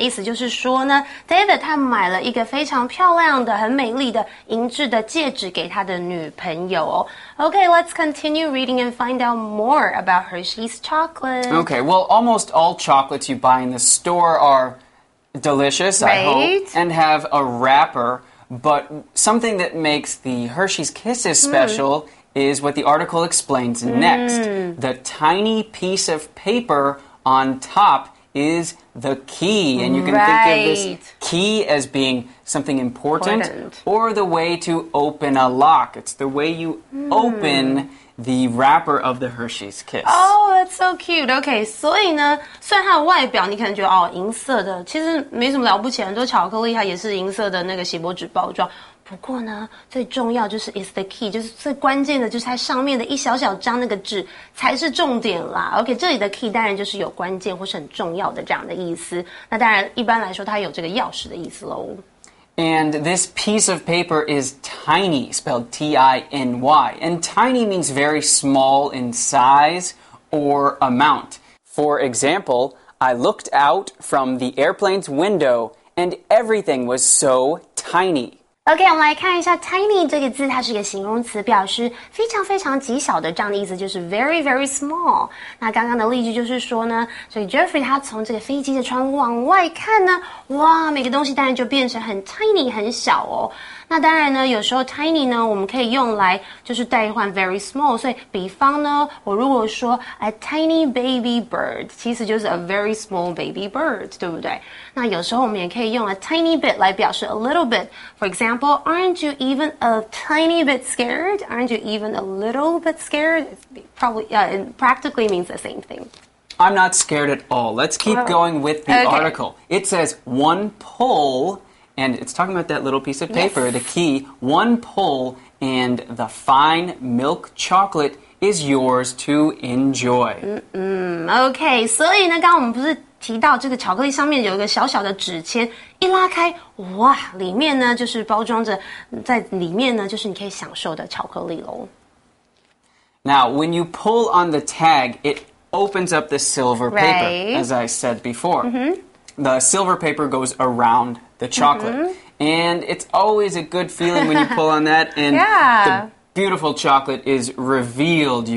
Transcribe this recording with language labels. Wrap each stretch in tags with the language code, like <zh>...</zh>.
<zh>意思就是说呢 ,David 他买了一个非常漂亮的很美丽的银质的戒指给他的女朋友哦。</zh> <en>Okay, let's continue reading and find out more about Hershey's chocolate. Okay, well, almost all chocolates you buy in the store are delicious, right? I hope, and have a wrapper. But something that makes the Hershey's Kisses special is what the article explains next. The tiny piece of paper on top is the key. And you can think of this key as being something important or the way to open a lock. It's the way you open the wrapper of the Hershey's Kiss. Oh, that's so cute.</en> <zh>Okay, 所以呢，虽然它的外表你可能觉得哦，银色的，其实没什么了不起，很多巧克力它也是银色的那个锡箔纸包装。不过呢，最重要就是</zh> <en>is the key,</en> <zh>就是最关键的就是它上面的一小小张那个纸才是重点啦。 OK, 这里的 key 当然就是有关键或是很重要的这样的意思。那当然一般来说它有这个钥匙的意思咯。</zh> <en>And this piece of paper is tiny, spelled T-I-N-Y. And tiny means very small in size or amount. For example, I looked out from the airplane's window and everything was so tiny.</en> <zh>OK, 我们来看一下 tiny 这个字，它是一个形容词，表示非常非常极小的这样的意思，就是</zh> <en>very, very small.</en> <zh>那刚刚的例句就是说呢，所以 Jeffrey 他从这个飞机的窗户往外看呢，哇，每个东西当然就变成很 tiny, 很小哦。那当然呢，有时候 tiny 呢，我们可以用来就是代换 very small. 所以比方呢，我如果说</zh> <en>a tiny baby bird,</en> <zh>其实就是</zh> <en>a very small baby bird,</en> <zh>对不对？那有时候我们也可以用</zh> <en>a tiny bit</en> <zh>来表示</zh> <en>a little bit. For example, aren't you even a tiny bit scared? Aren't you even a little bit scared? It practically means the same thing. I'm not scared at all. Let's keep going with the article. It says one pull... And it's talking about that little piece of paper, the key. One pull and the fine milk chocolate is yours to enjoy.</en> <zh>Okay, 所以呢，刚刚我们不是提到这个巧克力上面有一个小小的纸签，一拉开，哇，里面呢就是包装着，在里面呢就是你可以享受的巧克力咯。</zh> <en>Now, when you pull on the tag, it opens up the silver paper, as I said before. The silver paper goes around the chocolate. And it's always a good feeling when you pull on that and the beautiful chocolate is revealed.</en>